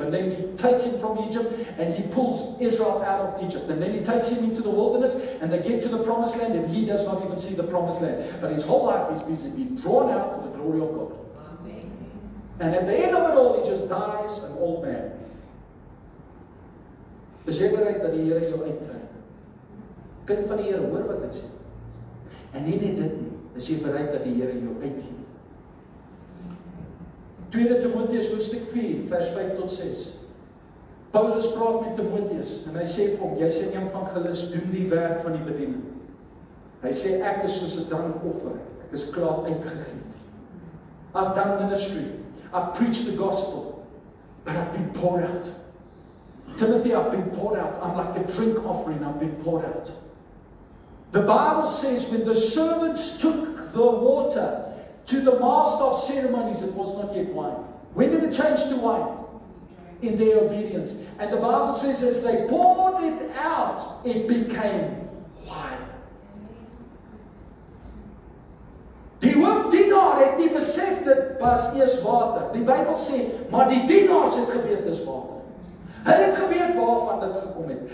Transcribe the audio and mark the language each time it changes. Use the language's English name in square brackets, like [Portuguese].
[English] And then he takes him from Egypt, and he pulls Israel out of Egypt. And then he takes him into the wilderness, and they get to the promised land, and he does not even see the promised land. But his whole life is busy being drawn out for the glory of God. Amen. And at the end of it all, he just dies an old man. [Afrikaans] Besekerheid dat die Here jou uitdryf. Kind van die Here, hoor wat ek sê. En nie net dit nie, as jy bereid dat die Here jou uitgee. 2 Timoteus hoofstuk 4 vers 5 tot 6. Paulus praat met Timoteus en hy sê vir hom, jy's 'n evangelis, doen die werk van die bediening. Hy sê ek is soos 'n dankoffer, ek is klaar uitgegee. [English] I've done ministry, I've preached the gospel, but I've been poured out. Timothy, I've been poured out, I'm like a drink offering, I've been poured out. The Bible says when the servants took the water to the master of ceremonies, it was not yet wine. When did it change to wine? In their obedience. And the Bible says as they poured it out, it became wine. [Afrikaans] Die hoof dienaar het nie besef dit was eers water. Die Bybel sê, maar die dienaars het geweet dis water. Hulle het geweet waarvan dit gekom het.